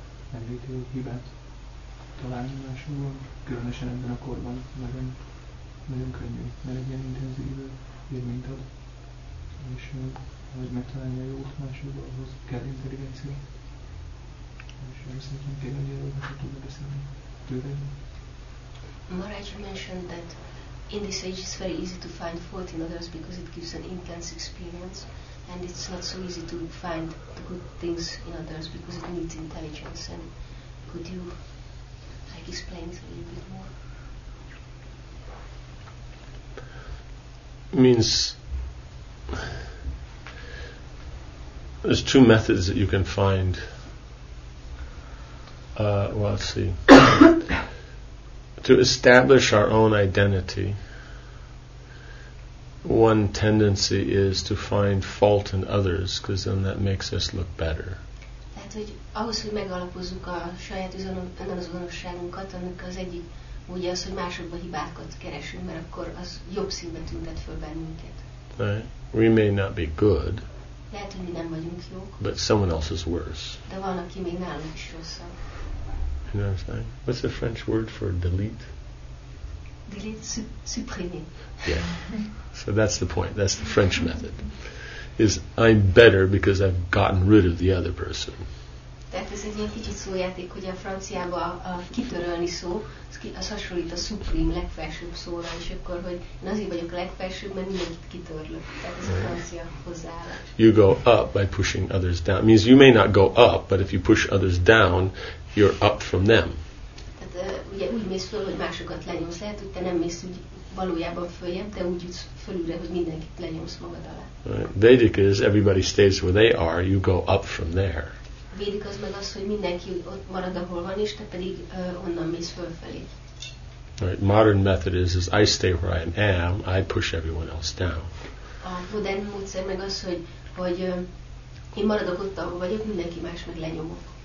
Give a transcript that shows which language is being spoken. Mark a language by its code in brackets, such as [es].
[hu] Megvédő hibát találni másokban, különösen ebben a korban nagyon, nagyon könnyű, mert egy ilyen intenzív élményt ad. És hogy megtalálni a jót másokban, ahhoz kell intelligencia. És szerintem kérdezni erről, hogy tudna beszélni tőled. [en] Maharaj mentioned that in this age it's very easy to find fault in others because it gives an intense experience. and it's not so easy to find the good things in others because it needs intelligence. And could you, like, explain it a little bit more? Means there's two methods that you can find. To establish our own identity, one tendency is to find fault in others, because then that makes us look better. [hu] Tehát, hogy ahhoz, hogy megalapozzuk a saját önazonosságunkat, annak az egyik ugye az, hogy másokban hibákat keresünk, mert akkor az jobb színbe tüntet föl bennünket. [en] Right. We may not be good. [hu] Lehet, hogy mi nem vagyunk jók. [en] But someone else is worse. [hu] De van, aki még nálunk is rosszabb. [en] You know what I'm saying? What's the French word for delete? Delete, [fr] supprimer. [en] Yeah. So that's the point. That's the French method. Is I'm better because I've gotten rid of the other person. [hu] Tehát ez egy ilyen kicsit szójáték, hogy a franciában a kitörölni szó, az hasonlít a supreme, legfelsőbb szóra, és akkor, hogy én azért vagyok a legfelsőbb, mert mindenkit kitörlök. Tehát ez a francia hozzáállás. [en] You go up by pushing others down. It means you may not go up, but if you push others down, you're up from them. [hu] Tehát ugye úgy mész föl, hogy másokat lenyomsz. Lehet, hogy te nem mész úgy valójában följebb, de úgy jutsz fölülre, hogy mindenkit lenyomsz magad alá. [en] Right. Vedic is everybody stays where they are, you go up from there. [hu] Védik az meg az, hogy mindenki ott marad, ahol van, és te pedig onnan mész fölfelé. [en] Right. Modern method is I stay where I am, I push everyone else down. [hu] A modern módszer meg az, hogy én maradok ott, ahol vagyok, mindenki más meg lenyomok.